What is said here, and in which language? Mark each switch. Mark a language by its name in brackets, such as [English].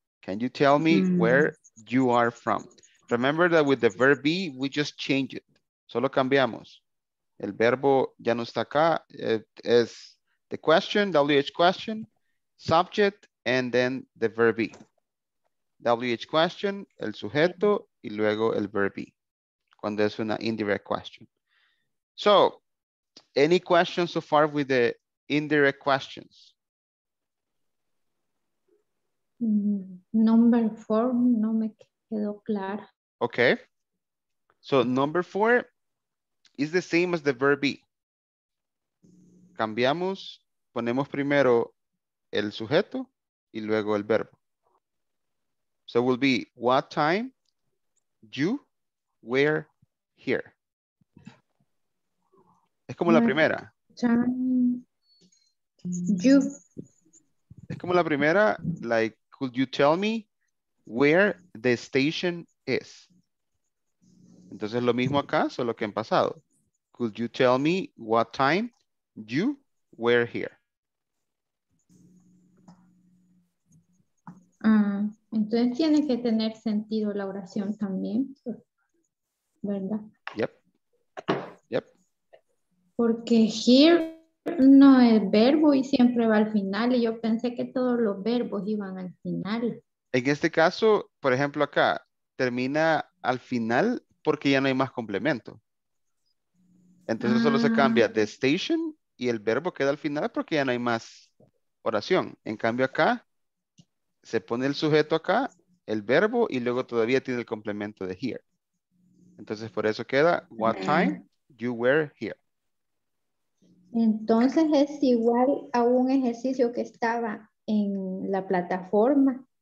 [English] Can you tell me where you are from? Remember that with the verb be, we just change it. [Spanish] Solo cambiamos. El verbo ya no está acá. [English] It is the question, WH question, subject, and then the verb be. [Spanish] WH question, el sujeto, y luego el verb be, cuando es una indirect question. [English] So, any questions so far with the indirect questions? [Spanish] Number four, no me quedó claro. [English] Okay. So, number four is the same as the verb be. [Spanish] Cambiamos, ponemos primero el sujeto y luego el verbo. [English] So it will be, what time you were here? [Spanish] Es como la primera. Es como la primera, [English] like, could you tell me where the station is? [Spanish] Entonces lo mismo acá, solo que en pasado. [English] Could you tell me what time you were here? [Spanish] Entonces tiene que tener sentido la oración también, ¿verdad? [English] Yep, yep. [Spanish] Porque here no es verbo y siempre va al final. Y yo pensé que todos los verbos iban al final. En este caso, por ejemplo, acá termina al final porque ya no hay más complemento. Entonces solo se cambia the station y el verbo queda al final porque ya no hay más oración. En cambio acá, se pone el sujeto acá, el verbo, y luego todavía tiene el complemento de here. Entonces, por eso queda, [English] what time you were here. [Spanish] Entonces, es igual a un ejercicio que estaba en la plataforma,